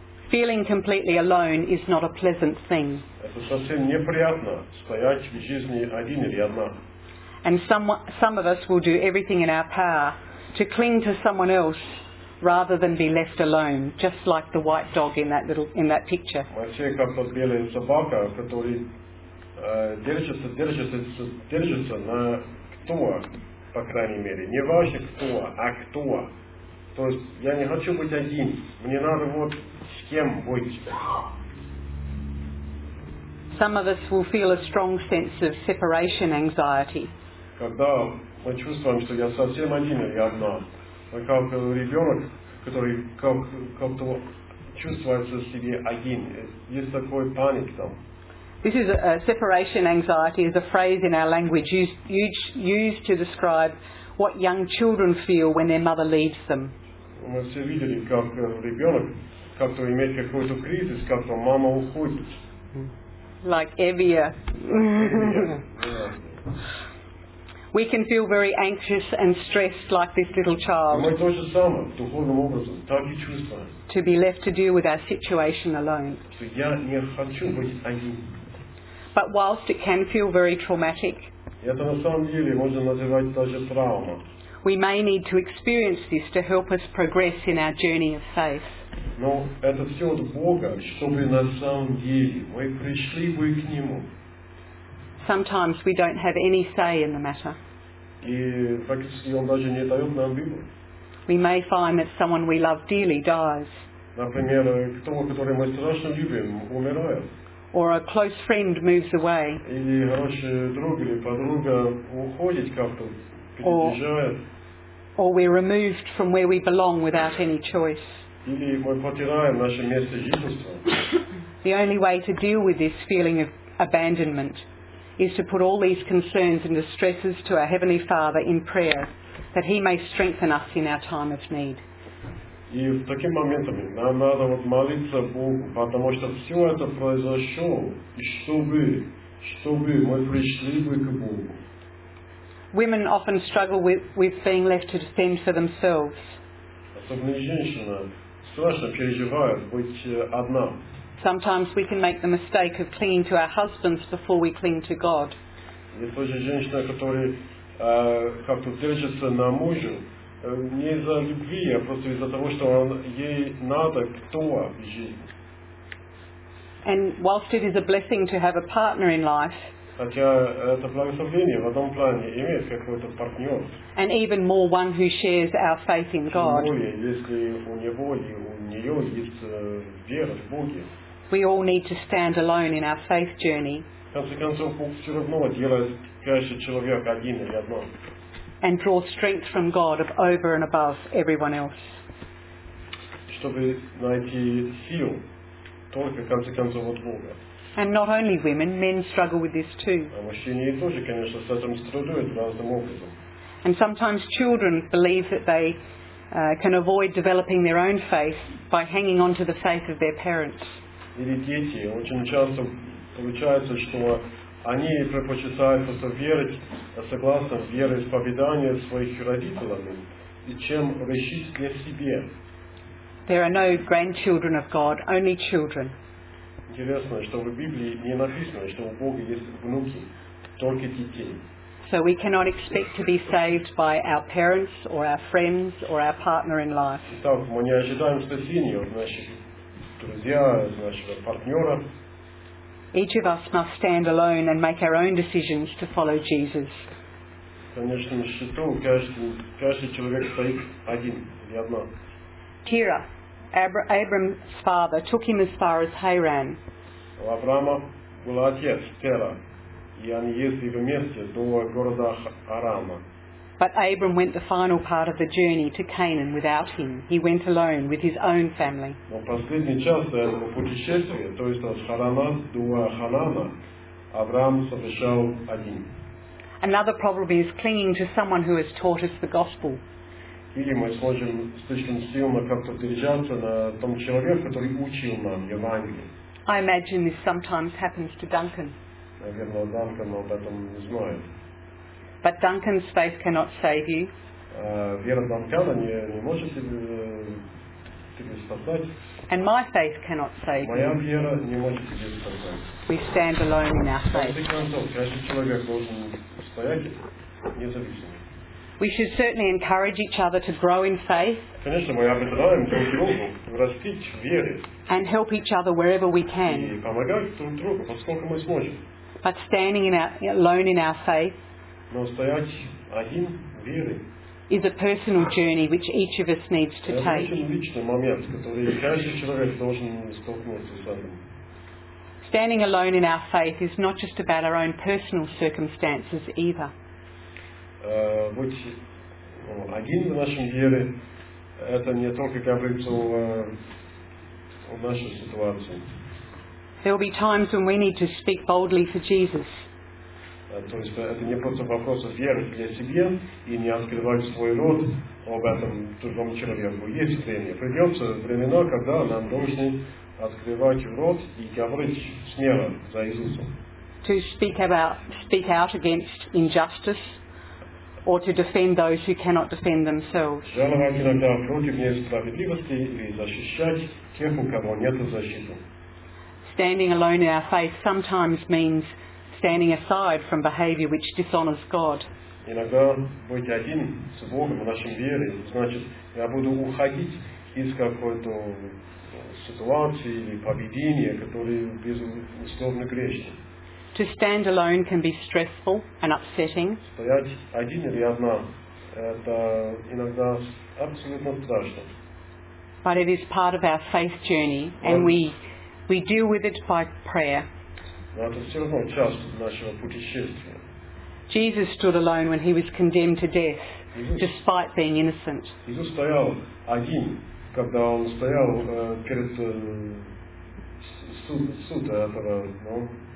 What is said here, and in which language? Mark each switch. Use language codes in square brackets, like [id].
[en] Feeling completely alone is not a pleasant thing. [ru] Это совсем неприятно стоять в жизни один или одна. [en] And some of us will do everything in our power to cling to someone else rather than be left alone, just like the white dog in that picture. [ru] Мы все как тот белый собака, который держится на кто. По крайней мере, не важно кто, а кто. То есть я не хочу быть один. Мне надо вот с кем быть. [en] Some of us will feel a strong sense of separation anxiety. [ru] Когда мы чувствуем, что я совсем один или одна, мы как ребенок, который как-то чувствуется себе один, есть такой паник там. [en] This is a separation anxiety is a phrase in our language used to describe what young children feel when their mother leaves them. [ru] Мы все видели, как ребенок как-то имеет какой-то кризис, как мама уходит. [en] Like Evia. Yeah. We can feel very anxious and stressed like this little child. [ru] Мы тоже самое, духовным образом, так и чувствуем. [en] To be left to deal with our situation alone. [ru] Я не хочу быть один. [en] But whilst it can feel very traumatic, [ru] это на самом деле можно называть даже травма, [en] we may need to experience this to help us progress in our journey of faith. [ru] Но это все от Бога, чтобы на самом деле мы пришли бы к Нему. [en] Sometimes we don't have any say in the matter. [ru] И фактически Он даже не дает нам выбор. [en] We may find that someone we love dearly dies. [ru] Например, кто-то, который мы страшно любим, умирает. [en] Or a close friend moves away. [ru] Или хороший друг или подруга уходит как-то, переезжает. [en] Or we're removed from where we belong without any choice. [ru] Или мы потеряем наше место жительства. [en] The only way to deal with this feeling of abandonment is to put all these concerns and distresses to our Heavenly Father in prayer, that He may strengthen us in our time of need. [ru] И в таких моментах нам надо вот молиться Богу, потому что все это произошло, и чтобы мы пришли бы к Богу. [en] Women often struggle with being left to fend for themselves. [ru] Особенно женщина страшно переживает быть одна. [en] Sometimes we can make the mistake of clinging to our husbands before we cling to God. [ru] Есть тоже женщина, которая как-то держится на мужа. Не из-за любви, а просто из-за того, что ей надо кто в жизни. [en] And whilst it is a blessing to have a partner in life, [ru] хотя это благословение в одном плане имеет какой-то партнер. [en] And even more one who shares our faith in God. [ru] Тем более, если у него и у нее есть вера в Бога. [en] We all need to stand alone in our faith journey. [ru] В конце концов, Бог все равно делает каждый человек один или одно. [en] And draw strength from God over and above everyone else. [ru] Чтобы найти силу только в конце концов от Бога. [en] And not only women, men struggle with this too. [ru] А мужчины тоже, конечно, с этим страдают разным образом. [en] And sometimes children believe that they can avoid developing their own faith by hanging on to the faith of their parents. [ru] Или дети очень часто получается, что они предпочитают просто верить согласно вероисповеданию своих родителей, и чем решить для себя. [en] There are no grandchildren of God, only children. [ru] Интересно, что в Библии не написано, что у Бога есть внуки, только детей. [en] So we cannot expect to be saved by our parents or our friends or our partner in life. [ru] Итак, мы не ожидаем спасения от наших друзей, от нашего партнера. [en] Each of us must stand alone and make our own decisions to follow Jesus. [ru] конечно, на счету каждый человек стоит один или одна. [en] Terah, Abram's father, took him as far as Haran. [ru] У Авраама был отец Тера, и они ездили вместе до города Харана. [en] But Abram went the final part of the journey to Canaan without him. He went alone with his own family. [ru] Но последний час этого путешествия, то есть от Харана до Ханана, Авраам совершал один. [en] Another problem is clinging to someone who has taught us the gospel. [ru] Или мы сможем слишком сильно как-то держаться на том человеке, который учил нам Евангелие. [en] I imagine this sometimes happens to Duncan. [ru] Наверное, Duncan об этом не знает. [en] But Duncan's faith cannot save you. [ru] Вера Данкана не может тебе спасать. [en] And my faith cannot save you. [ru] Моя вера не может тебе спасать. [en] We stand alone in our faith. [ru] Каждый человек должен стоять независимо. [en] We should certainly encourage each other to grow in faith. [ru] Конечно, мы ободряем друг друга, расти в вере. [en] And help each other wherever we can. [ru] И помогать друг другу, поскольку мы сможем. [en] But standing alone in our faith. [ru] Но стоять один в вере. [en] Is a personal journey which each of us needs to take. [ru] Это очень личный момент, который каждый человек должен столкнуться с этим. [en] Standing alone in our faith is not just about our own personal circumstances either. [ru] Быть один в нашем вере, это не только говорится о нашей ситуации. [en] There will be times when we need to speak boldly for Jesus. [ru] То есть это не просто вопрос веры для себя и не открывать свой рот об этом другому человеку. Есть время. Придется времена, когда нам должны открывать рот и говорить смело за Иисусом. [en] To speak out against injustice. Or to defend those who cannot defend themselves. [ru] Жаловать иногда против несправедливости или защищать тех, у кого нет защиты. [en] Standing alone in our faith sometimes means standing aside from behavior which dishonors God. [ru] Иногда быть один с Богом в нашем вере значит, я буду уходить из какой-то ситуации или поведения, которое безусловно грешно. [en] To stand alone can be stressful and upsetting. [ru] Стоять один или одна, это иногда абсолютно страшно. [en] But it is part of our faith journey, and we deal with it by prayer. [ru] Но это все равно часть нашего путешествия. [en] Jesus stood alone when he was condemned to death, despite being innocent. [ru] Иисус стоял один, когда он стоял перед судом этого, ну.